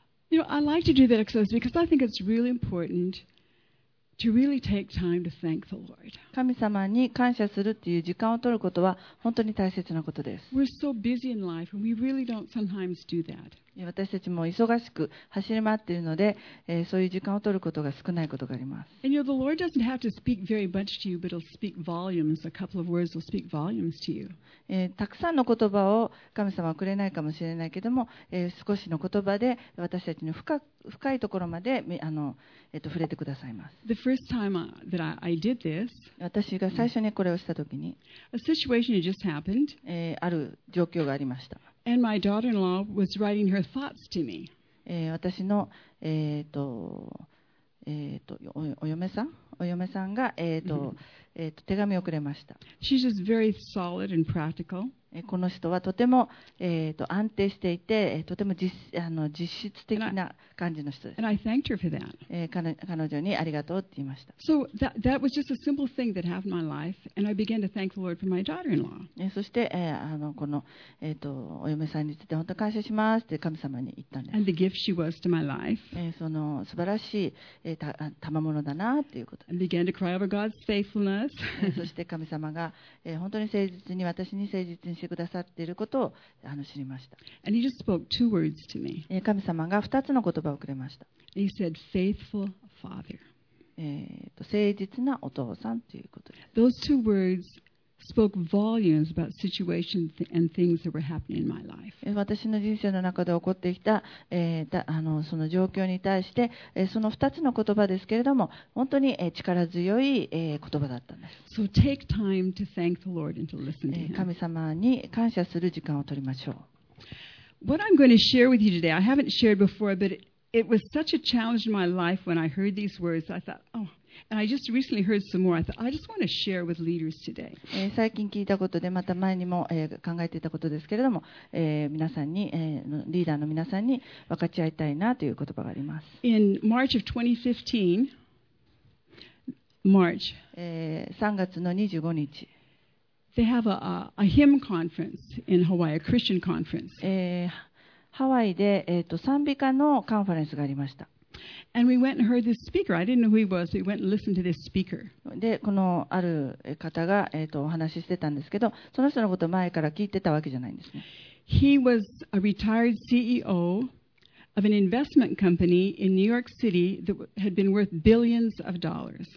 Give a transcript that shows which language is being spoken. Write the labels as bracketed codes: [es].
[en] You know, I like to do that exercise because I think it's really important to really take time to thank the Lord. [ja] 神様に感謝するっていう時間を取ることは本当に大切なことです。 [en] We're so busy in life and we really don't sometimes do that. [ja] 私たちも忙しく走り回っているので、そういう時間を取ることが少ないことがあります。 [en] And you know, the Lord doesn't have to speak very much to you, but it'll speak volumes. A couple of words will speak volumes to you. [ja] たくさんの言葉を神様はくれないかもしれないけども、少しの言葉で私たちの深いところまで触れてくださいます。 [en] The first time that I did this, [ja] 私が最初にこれをした時に、 [en] A situation just happened. [ja] ある状況がありました。 [en] And my daughter-in-law was writing her thoughts to me. [ja] 私の、お嫁さんが、手紙をくれました。 [en] She's just very solid and practical. [ja] この人はとても、安定していて、とても実質的な感じの人です。 [en] And I thanked her for that. [ja] 彼女にありがとうって言いました。 [en] So that was just a simple thing that happened in my life, and I began to thank the Lord for my daughter-in-law. [ja] そして、この、お嫁さんについて本当に感謝しますって神様に言ったんです。 [en] And the gift she was to my life. [ja] その素晴らしい、賜物だなっていうこと。 [en] And began to cry over God's faithfulness. [ja] そして神様が、本当に誠実に私に誠実にしてくださっていることを知りました。 [en] And he just spoke two words to me. [ja] 神様が2つの言葉をくれました。 [en] He said, faithful father. [ja] 誠実なお父さんということです。 [en] Those two words spoke volumes about situations and things that were happening in my life. [ja] 私の人生の中で起こってきた、その状況に対して、その2つの言葉ですけれども、本当に、力強い、言葉だったんです。 [en] So take time to thank the Lord and to listen to him. [ja] 神様に感謝する時間を取りましょう。 [en] What I'm going to share with you today, I haven't shared before, but it was such a challenge in my life when I heard these words. I thought, oh. And I just recently heard some more. I thought I just want to share with leaders today. [ja] 最近聞いたことで、また前にも、考えていたことですけれども、皆さんに、リーダーの皆さんに分かち合いたいなという言葉があります。 [en] In March of 2015, March. [ja] 3月の25日。 [en] They have a hymn conference in Hawaii, a Christian conference. [ja] ハワイで、賛美歌のカンファレンスがありました。 [en] And we went and heard this speaker. I didn't know who he was. We went and listened to this speaker. [ja] で、このある方が、お話ししてたんですけど、その人のことを前から聞いてたわけじゃないんですね。 [en] He was a retired CEO of an investment company in New York City that had been worth billions of dollars.